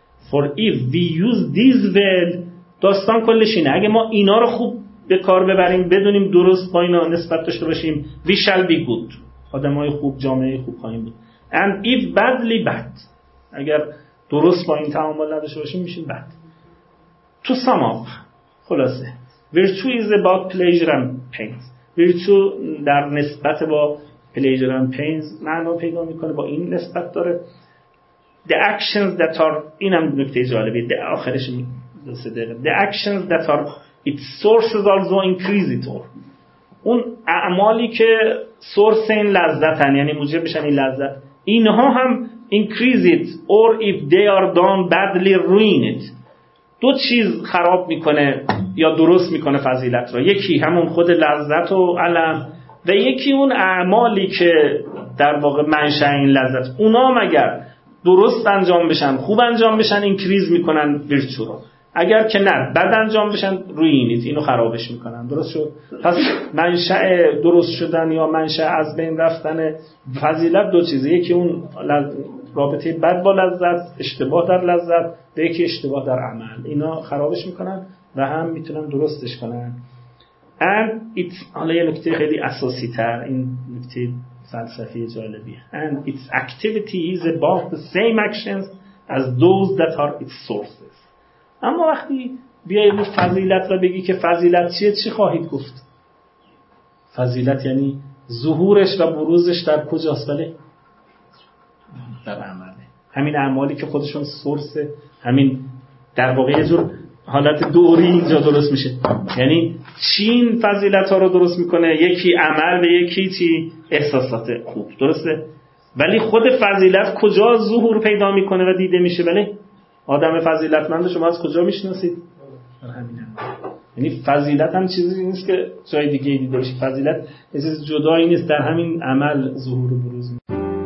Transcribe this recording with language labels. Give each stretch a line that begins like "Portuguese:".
English: For if we use this well
Persian: داستان کلش اینه، اگه ما اینا رو خوب به کار ببریم بدونیم درست با اینا نسبت داشته باشیم
English: we shall be good،
Persian: آدم های خوب جامعه خوب خواهیم بود.
English: And if badly bad
Persian: اگر درست با این تعامل نداشته باشیم میشیم بد.
English: To sum up
Persian: خلاصه
English: virtue is about pleasure and pain، virtue
Persian: در نسبت با
English: pleasure and pain
Persian: معنا پیدا میکنه با این نسبت داره.
English: The actions that are
Persian: اینم نکته جالبی آخرش دوست داره
English: the actions that are its sources also increase it or
Persian: اون اعمالی که سورس این لذت هن یعنی موجب میشن این لذت اینها هم
English: increase it or if they are done badly ruin it،
Persian: دو چیز خراب میکنه یا درست میکنه فضیلت را، یکی همون خود لذت و علم و یکی اون اعمالی که در واقع منشأ این لذت، اونا مگر درست انجام بشن خوب انجام بشن اینکریز میکنن ویرچو رو، اگر که نه بد انجام بشن روینید اینو خرابش میکنن. درست شد؟ پس منشأ درست شدن یا منشأ از بین رفتن فضیلت دو چیزه، یکی اون رابطه بد با لذت، اشتباه در لذت، و یکی اشتباه در عمل، اینا خرابش میکنن و هم میتونن درستش کنن.
English: And it's
Persian: حالا یه نکته خیلی اساسی تر، این نکته فلسفی جالبیه.
English: And its activity is about the same actions as those that are its sources.
Persian: اما وقتی بیایی رو فضیلت رو بگی که فضیلت چیه چی خواهید گفت؟ فضیلت یعنی ظهورش و بروزش در کجاست؟ بله؟ در عمله، همین اعمالی که خودشون سورسه، همین در واقع یه جور حالت دوری اینجا درست میشه، یعنی چین فضیلت ها رو درست میکنه، یکی عمل و یکی چی احساسات خوب، درسته؟ ولی خود فضیلت کجا ظهور پیدا میکنه و دیده میشه؟ بله آدم فضیلتمند شما از کجا میشناسید؟ یعنی فضیلت هم چیزی نیست که جای دیگه دیده بشه، فضیلت چیز جدایی نیست، در همین عمل ظهور و بروز میکنه.